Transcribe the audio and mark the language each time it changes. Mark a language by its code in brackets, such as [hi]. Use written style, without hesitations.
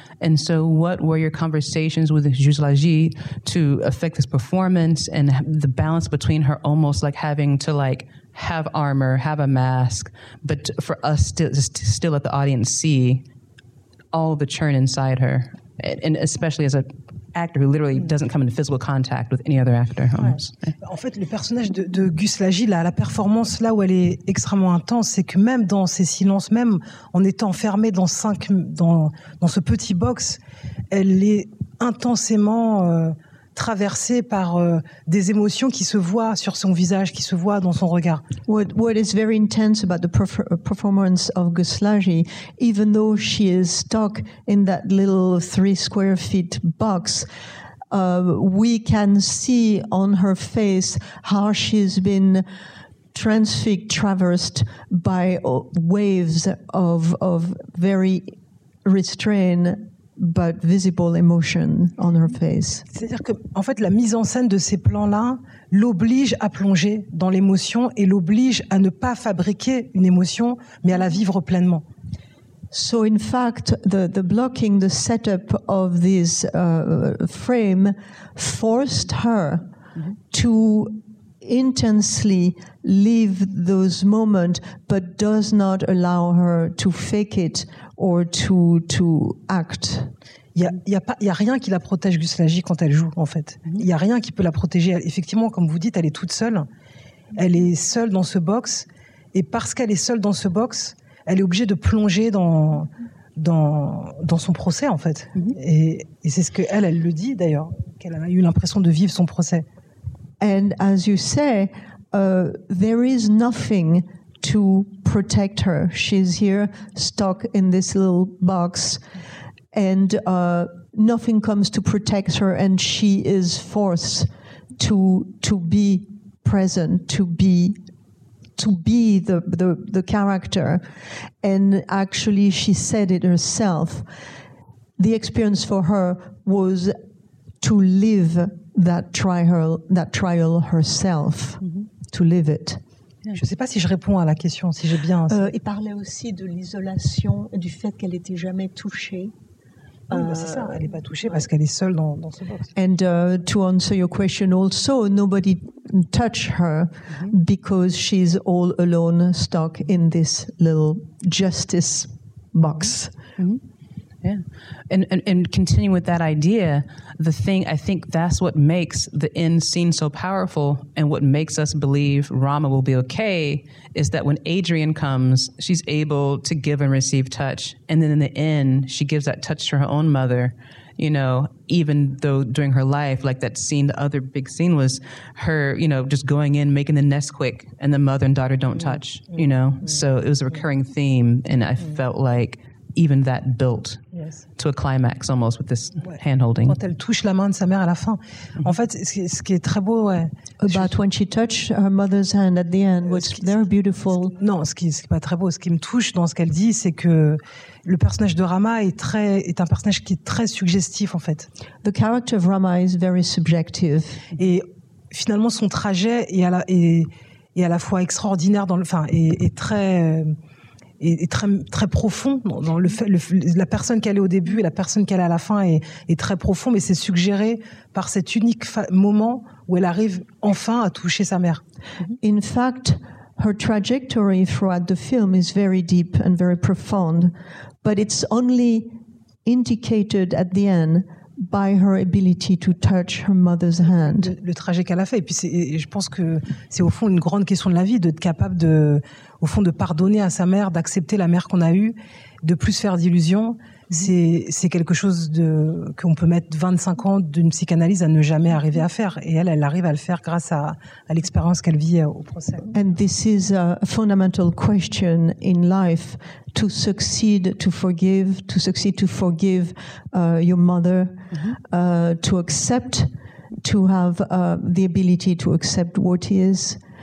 [en] And so what were your conversations with Juge Lagy to affect this performance and the balance between her almost like having to like have armor, have a mask, but for us still at the audience see all the churn inside her, and especially as a actor who literally doesn't come into physical contact with any other actor. [fr] Ouais. En fait, le personnage de Gus Lagy, la performance là où elle est extrêmement intense, c'est que même dans ses silences, même en étant enfermée dans ce petit box, elle est intensément traversée par des émotions qui se voient sur son visage, qui se voient dans son regard. [en] What is very intense about the performance of Gus Lagy, even though she is stuck in that little 3 square feet box, we can see on her face how she's been traversed by waves of very restrained but visible emotion on her face. [fr] C'est-à-dire que, en fait, la mise en scène de ces plans-là l'oblige à plonger dans l'émotion et l'oblige à ne pas fabriquer une émotion, mais à la vivre pleinement. [en] So in fact, the blocking, the setup of this frame forced her to intensely live those moments, but does not allow her to fake it or to act. [fr] Il y a rien qui la protège Gus Lagy quand elle joue en fait. Il y a rien qui peut la protéger. Effectivement, comme vous dites, elle est toute seule. Elle est seule dans ce box, et parce qu'elle est seule dans ce box, elle est obligée de plonger dans son procès en fait. Mm-hmm. Et c'est ce que elle le dit d'ailleurs, qu'elle a eu l'impression de vivre son procès. [en] And as you say, there is nothing to protect her. She's here, stuck in this little box, and nothing comes to protect her, and she is forced to be present, to be the character. And actually, she said it herself. The experience for her was to live that trial herself, to live it. [fr] Je ne sais pas si je réponds à la question, si j'ai bien... Il parlait aussi de l'isolation, du fait qu'elle n'était jamais touchée. Oui, c'est ça, elle n'est pas touchée parce qu'elle est seule dans ce box. [en] And to answer your question also, nobody touched her because she's all alone, stuck in this little justice box. Yeah, and continuing with that idea, the thing, I think that's what makes the end scene so powerful and what makes us believe Rama will be okay is that when Adrian comes, she's able to give and receive touch. And then in the end, she gives that touch to her own mother, you know, even though during her life, like that scene, the other big scene was her, you know, just going in, making the nest quick, and the mother and daughter don't touch, you know. Mm-hmm. So it was a recurring theme, and I felt like even that built. Yeah. to a climax almost with this hand-holding. [fr] Quand elle touche la main de sa mère à la fin. Mm-hmm. En fait, ce qui est très beau, [en] About when she touched her mother's hand at the end, which is very beautiful. [fr] Ce qui est pas très beau, ce qui me touche dans ce qu'elle dit, c'est que le personnage de Rama est un personnage qui est très suggestif, en fait. [en] The character of Rama is very subjective. [fr] Et finalement, son trajet est à la fois extraordinaire, très profond dans le fait, la personne qu'elle est au début et la personne qu'elle est à la fin est très profond, mais c'est suggéré par cet unique moment où elle arrive enfin à toucher sa mère. [en] In fact, her trajectory throughout the film is very deep and very profound, but it's only indicated at the end by her ability to touch her mother's hand. [fr] Le trajet qu'elle a fait, et puis je pense que c'est au fond une grande question de la vie, d'être capable de pardonner à sa mère, d'accepter la mère qu'on a eue, de plus faire d'illusions. C'est quelque chose qu'on peut mettre 25 ans d'une psychanalyse à ne jamais arriver à faire. Et elle arrive à le faire grâce à l'expérience qu'elle vit au procès. [en] And this is a fundamental question in life, to succeed to forgive your mother, to accept, to have the ability to accept what is.